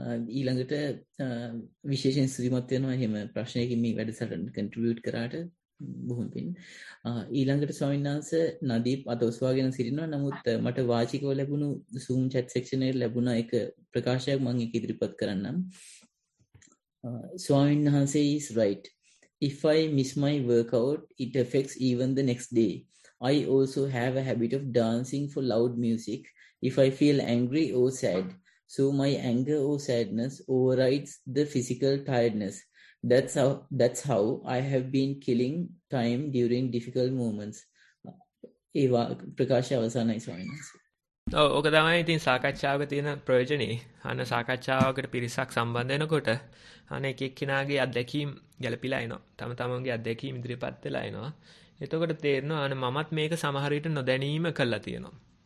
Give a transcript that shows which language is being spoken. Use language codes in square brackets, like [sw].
[si] ඊළඟට විශේෂයෙන් ශ්‍රීමත් වෙනවා එහෙම ප්‍රශ්නයකින් මේ වැඩසටහනට කන්ට්‍රිබියුට් කරාට බොහොම පින්. ඊළඟට ස්වාමීන් වහන්ස නදීප් අත ඔසවාගෙන සිටිනවා. නමුත් මට වාචිකව ලැබුණු සූම් චැට් සෙක්ෂන් එකේ ලැබුණා එක ප්‍රකාශයක් මම ඒක ඉදිරිපත් කරන්නම්. ස්වාමීන් වහන්සේ [en] is right. If I miss my workout, it affects even the next day. I also have a habit of dancing for loud music if I feel angry or sad. So my anger or sadness overrides the physical tiredness. That's how I have been killing time during difficult moments. [si] Eva Prakash avasanai swami. ඔක තමයි ඉතින් සාකච්ඡාවක තියෙන ප්‍රයෝජනේ. අන සාකච්ඡාවකට පිරිසක් සම්බන්ධ වෙනකොට අන එක එක්කෙනාගේ අත්දැකීම් ගැලපිලා එනවා. තම තමන්ගේ අත්දැකීම් ඉදිරිපත් වෙලා එනවා. එතකොට තේරෙනවා අන මමත් මේක සමහර විට නොදැනීම කළා තියෙනවා.